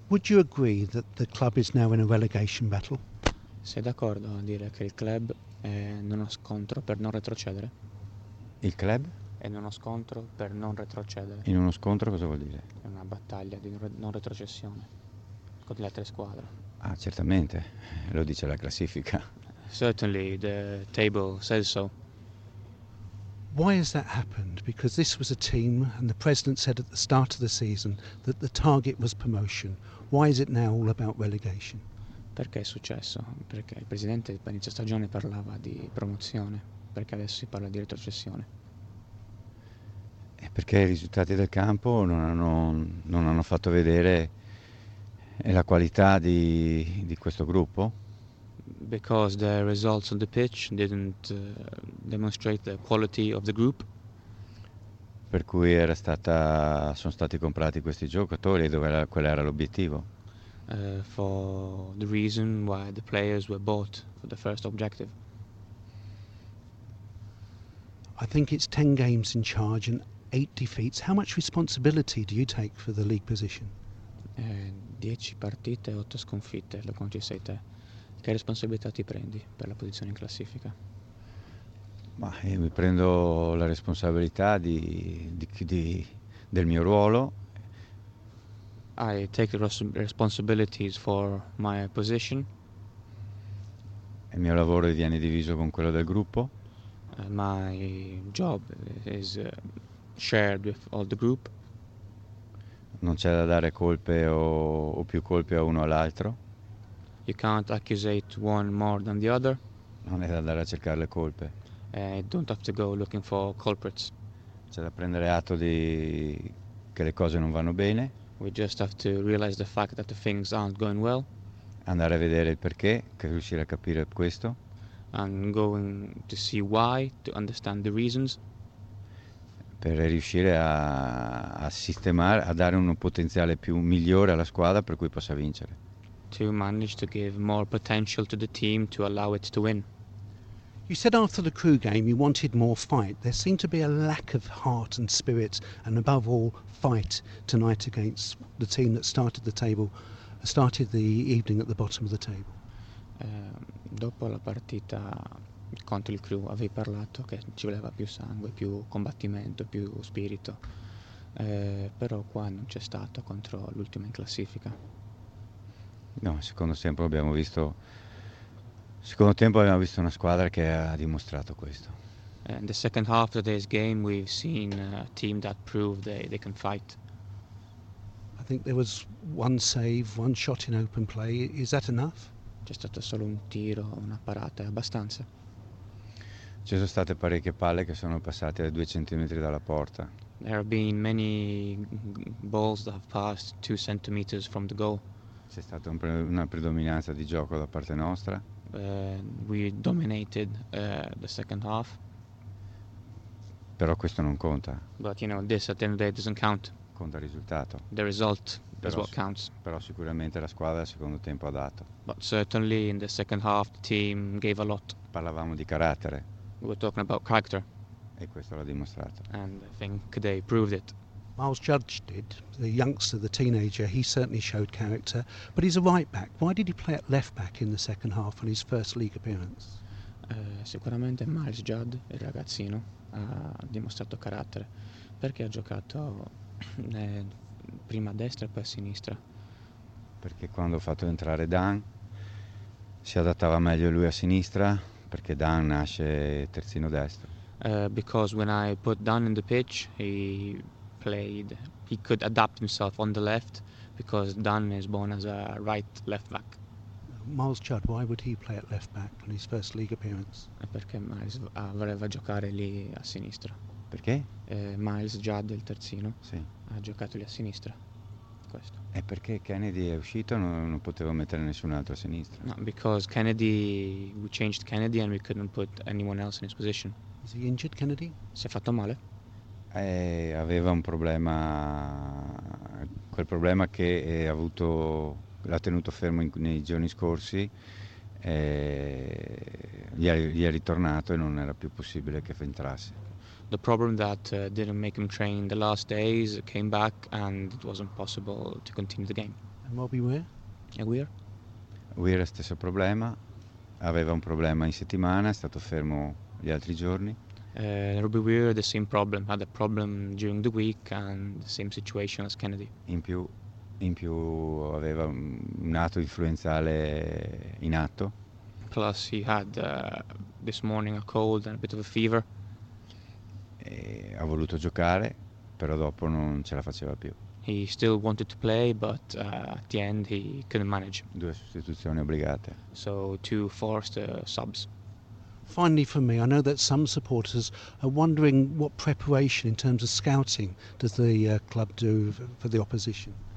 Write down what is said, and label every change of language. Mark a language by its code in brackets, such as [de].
[en] Would you agree that the club is now in a relegation battle? [it] Sei d'accordo a dire che il club è in uno scontro per non retrocedere? Il club? È in uno scontro per non retrocedere. In uno scontro cosa vuol dire? È una battaglia di non retrocessione con le altre squadre. Ah, certamente, lo dice la classifica. [en] Certainly, the table says so. Why has that happened? Because this was a team and the president said at the start of the season that the target was promotion. Why is it now all about relegation? [it] Perché è successo? Perché il presidente a inizio stagione parlava di promozione, perché adesso si parla di retrocessione. E perché i risultati del campo non hanno fatto vedere la qualità di questo gruppo? [en] Because the results on the pitch didn't demonstrate the quality of the group. [it] Per cui sono stati comprati questi giocatori e qual era l'obiettivo? [en] For the reason why the players were bought for the first objective. I think it's 10 games in charge and 8 defeats. How much responsibility do you take for the league position? [it] 10 partite e 8 sconfitte, lo conti sei te. Che responsabilità ti prendi per la posizione in classifica? Ma io mi prendo la responsabilità del mio ruolo. [en] I take the responsibilities for my position. [it] Il mio lavoro viene diviso con quello del gruppo. [en] My job is shared with all the group. [it] Non c'è da dare colpe o più colpe a uno o all'altro. [en] You can't accusate one more than the other. [it] Non è da andare a cercare le colpe. [en] Don't have to go looking for culprits. [it] C'è da prendere atto di che le cose non vanno bene. [en] We just have to realize the fact that the things aren't going well. [it] Andare a vedere il perché, per riuscire a capire questo. [en] And going to see why, to understand the reasons. [it] Per riuscire a sistemare, a dare un potenziale più migliore alla squadra per cui possa vincere. [en] To manage to give more potential to the team to allow it to win. You said after the Crewe game you wanted more fight. There seemed to be a lack of heart and spirit and above all fight tonight against the team that started the evening at the bottom of the table. [it] Dopo la partita contro il Crewe avevi parlato che ci voleva più sangue, più combattimento, più spirito. Però qua non c'è stato contro l'ultima in classifica. No, secondo tempo abbiamo visto una squadra che ha dimostrato questo. [en] In the second half of today's game we've seen a team that proved they can fight. I think there was one save, one shot in open play. Is that enough? [it] C'è stato solo un tiro, una parata, è abbastanza. Ci sono state parecchie palle che sono passate a 2 centimetri dalla porta. [en] There have been many balls that have passed 2 centimeters from the goal. [it] C'è stata una predominanza di gioco da parte nostra. [en] We dominated the second half. [it] Però questo non conta. [en] But you know, this at the end of the day doesn't count. [it] Conta il risultato. [en] The result is what counts. [it] Però sicuramente la squadra al secondo tempo ha dato. [en] But certainly in the second half the team gave a lot. [it] Parlavamo di carattere. [en] We were talking about character. [it] E questo l'ha dimostrato. [en] And I think they proved it. Miles Judge did, the youngster, the teenager, he certainly showed character, but he's a right back. Why did he play at left back in the second half on his first league appearance? [it] Sicuramente Miles Judd, il ragazzino, ha dimostrato carattere, perché ha giocato prima a destra e poi a sinistra. Perché quando ho fatto entrare Dan, si adattava meglio lui a sinistra, perché Dan nasce terzino destro. [en] Because when I put Dan in the pitch, he could adapt himself on the left because Dan is born as a right left back. Miles Judd, why would he play at left back on his first league appearance? [it] Perché Miles voleva giocare lì a sinistra. Perché? Miles Judd, il terzino, sì. Ha giocato lì a sinistra. Questo. E perché Kennedy è uscito, non potevo mettere nessun altro a sinistra. [en] No, because Kennedy, we changed Kennedy and we couldn't put anyone else in his position. Is he injured, Kennedy? [it] Si è fatto male. Aveva un problema, quel problema che l'ha tenuto fermo nei giorni scorsi, gli è ritornato e non era più possibile che entrasse. [en] the problem that didn't make him train the last days came back and it wasn't possible to continue the game. And what were? Aguirre. [it] Aguirre, stesso problema. Aveva un problema in settimana, è stato fermo gli altri giorni. [en] Ruby Weir, the same problem, had a problem during the week and the same situation as Kennedy. [it] In più aveva un atto influenzale in atto. [en] Plus he had this morning a cold and a bit of a fever. [it] E ha voluto giocare, però dopo non ce la faceva più. [en] He still wanted to play, but at the end he couldn't manage. [it] Due sostituzioni obbligate. [en] So two forced subs. Finally for me, I know that some supporters are wondering what preparation in terms of scouting does the club do for the opposition.